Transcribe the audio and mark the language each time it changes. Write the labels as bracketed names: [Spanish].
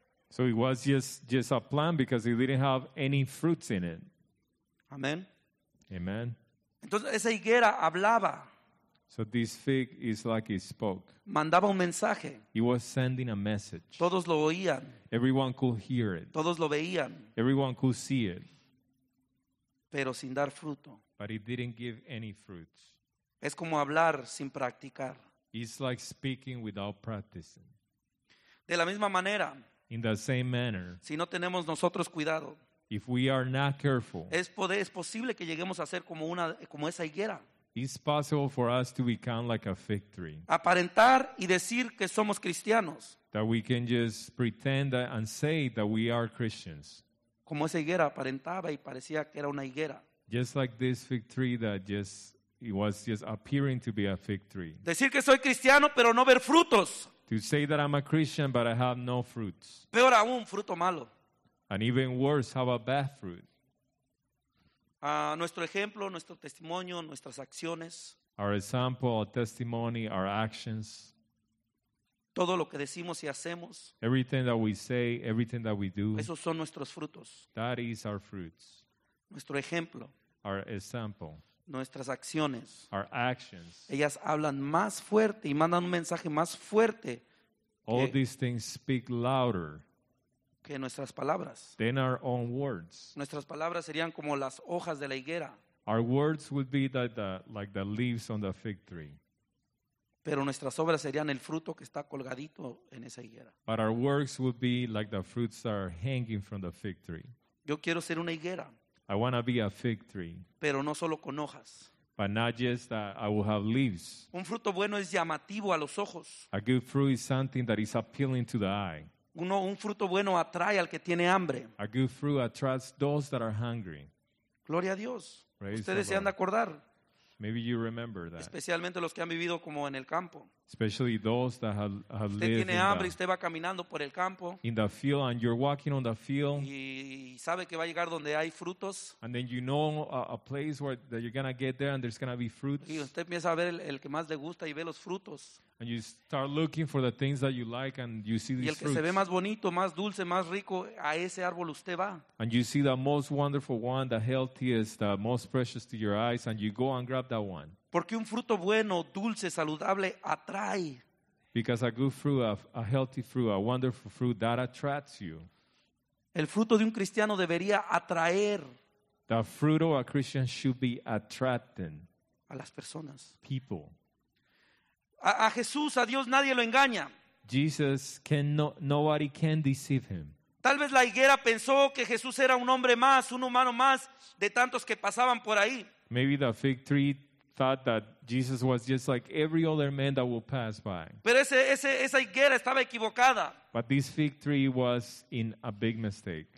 [English] So it was just a plant because it didn't have any fruits in it. Amen. Amen. [Spanish] Entonces esa higuera hablaba. [English] So this fig is like it spoke. [Spanish] Mandaba un mensaje. [English] It was sending a message. [Spanish] Todos lo oían. [English] Everyone could hear it. [Spanish] Todos lo veían. [English] Everyone could see it. [Spanish] Pero sin dar fruto. [English] But it didn't give any fruits. [Spanish] Es como hablar sin practicar. [English] It's like speaking without practicing. [Spanish] De la misma manera. [English] In the same manner. [Spanish] Si no tenemos nosotros cuidado. [English] If we are not careful. [Spanish] Es posible que lleguemos a ser como esa higuera. [English] It's possible for us to become like a fig tree. [Spanish] Aparentar y decir que somos cristianos. [English] That we can just pretend and say that we are Christians. [Spanish] Como esa higuera aparentaba y parecía que era una higuera. [English] Just like this fig tree that it was just appearing to be a fig tree. [Spanish] Decir que soy cristiano pero no ver frutos. [English] To say that I'm a Christian but I have no fruits. [Spanish] Peor aún, fruto malo. [English] And even worse, have a bad fruit. [Spanish] Nuestro ejemplo, nuestro testimonio, nuestras acciones. [English] Our example, our testimony, our actions. [Spanish] Todo lo que decimos y hacemos. [English] Everything that we say, everything that we do. [Spanish] Esos son nuestros frutos. [English] That is our fruits. [Spanish] Nuestro ejemplo. [English] Our example. [Spanish] Nuestras acciones. [English] Our actions. [Spanish] Ellas hablan más fuerte y mandan un mensaje más fuerte. [English] All these things speak louder. [Spanish] Que nuestras palabras. [English] Than our own words. [Spanish] Nuestras palabras serían como las hojas de la higuera. [English] Our words would be like the leaves on the fig tree. [Spanish] Pero nuestras obras serían el fruto que está colgadito en esa higuera. [English] But our works would be like the fruits that are hanging from the fig tree. [Spanish] Yo quiero ser una higuera. [English] I want to be a fig tree. [Spanish] Pero no solo con hojas. [English] But not just that I will have leaves. [Spanish] Un fruto bueno es llamativo a los ojos. [English] A good fruit is something that is appealing to the eye. [Spanish] Un fruto bueno atrae al que tiene hambre. [English] A good fruit attracts those that are hungry. [Spanish] Gloria a Dios. Ustedes se han de acordar. [English] Maybe you remember that. [Spanish] Especialmente los que han vivido como en el campo. [English] Especially those that have [Spanish] usted [English] lived [Spanish] tiene hambre, [English] in, [Spanish] usted va caminando por el campo, [English] in the field, and you're walking on the field. [Spanish] Y sabe que va a llegar donde hay frutos, [English] and then you know a place where that you're going to get there and there's going to be fruits. [Spanish] Y usted empieza a ver el que más le gusta y ve los frutos. [English] And you start looking for the things that you like and you see these fruits. [Spanish] Y el que se ve más bonito, más dulce, más rico, a ese árbol usted va. [English] And you see the most wonderful one, the healthiest, the most precious to your eyes, and you go and grab that one. [Spanish] Porque un fruto bueno, dulce, saludable atrae. [English] Because a good fruit, a healthy fruit, a wonderful fruit that attracts you. [Spanish] El fruto de un cristiano debería atraer. [English] The fruit of a Christian should be attracting. [Spanish] A las personas. [English] People. [Spanish] A Jesús, a Dios, nadie lo engaña. [English] Jesus can nobody can deceive him. [Spanish] Tal vez la higuera pensó que Jesús era un hombre más, un humano más de tantos que pasaban por ahí. [English] Maybe the fig tree thought that Jesus was just like every other man that would pass by. [Spanish] Pero esa higuera estaba equivocada. [English] But this fig tree was in a big mistake.